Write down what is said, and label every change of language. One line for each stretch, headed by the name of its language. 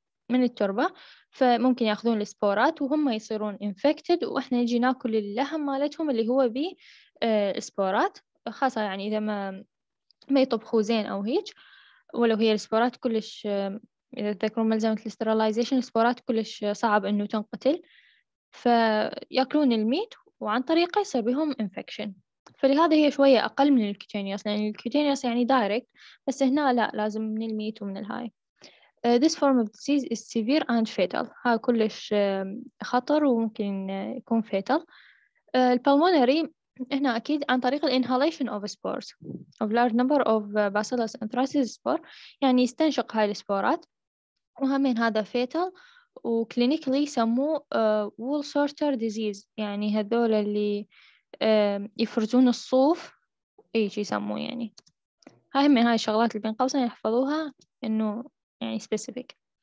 Arabic: من التربة، فممكن يأخذون السبورات وهم يصيرون infected وإحنا نجي نأكل اللحم مالتهم اللي هو بي سبورات، خاصة يعني إذا ما يطبخوا زين أو هيج، ولو هي السبورات كلش إذا تذكرون ملزمة الاسترالايزيشن السبورات كلش صعب إنه تنقتل، فيأكلون الميت وعن طريقه يصير بهم إنفكشن. فلهذا هي شوية أقل من الكيتينيوس، لأن الكيتينيوس يعني دايركت، بس هنا لا لازم من الميت ومن الهاي.
English: This form of disease is severe and fatal.
Arabic: ها كلش خطر وممكن يكون fatal. البلمونري هنا أكيد عن طريق
English: inhalation of spores of large number of bacillus anthracis spore،
Arabic: يعني يستنشق هاي السبورات، وهمين هذا fatal وclinically يسموه wool sorter disease، يعني هذول اللي يفرزون الصوف أي شيء يسموه، يعني هاي من هاي الشغلات اللي بين قوسين يحفظوها إنه يعني specific.